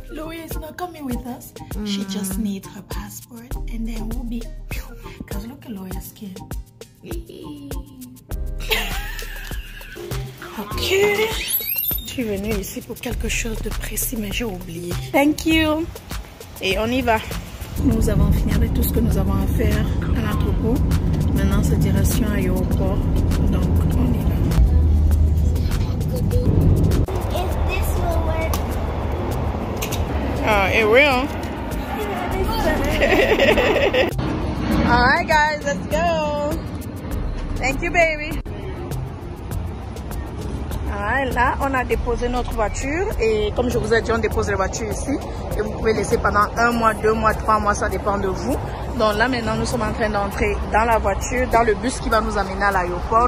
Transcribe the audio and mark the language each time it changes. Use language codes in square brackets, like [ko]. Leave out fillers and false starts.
[en] Loya is not coming with us. She just needs her passport and then we'll be. Because look at Loya's skin. [fr] Ok, je suis venue ici pour quelque chose de précis, mais j'ai oublié. [en] Thank you. [fr] Et on y va. Nous avons fini avec tout ce que nous avons à faire à l'entrepôt. Maintenant, c'est direction aéroport. Donc, on y va. [en] If this will work. Ah, it will. All right, guys, let's go. Thank you, baby. [fr] Là, on a déposé notre voiture et comme je vous ai dit, on dépose la voiture ici et vous pouvez laisser pendant un mois, deux mois, trois mois, ça dépend de vous. Donc là maintenant, nous sommes en train d'entrer dans la voiture, dans le bus qui va nous amener à l'aéroport.